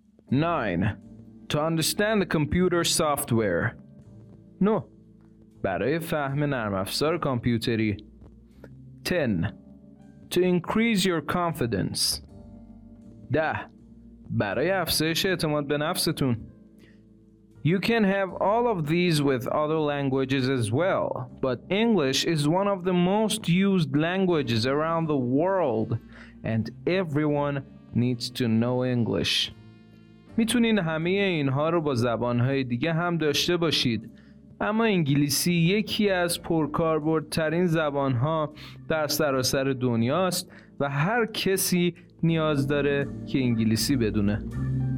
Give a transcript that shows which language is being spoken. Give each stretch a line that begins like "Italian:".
English: 9. To understand the computer software. 9.
Persian: برای فهم نرم افزار کامپیوتری.
English: 10. To increase your confidence. 10.
Persian: برای افزایش اعتماد به نفستون.
English: You can have all of these with other languages as well, but English is one of the most used languages around the world, and everyone needs to know English.
Persian: میتونین همه اینها رو با زبانهای دیگه هم داشته باشید، اما انگلیسی یکی از پرکاربردترین زبانها در سراسر دنیاست و هر کسی نیاز داره که انگلیسی بدونه.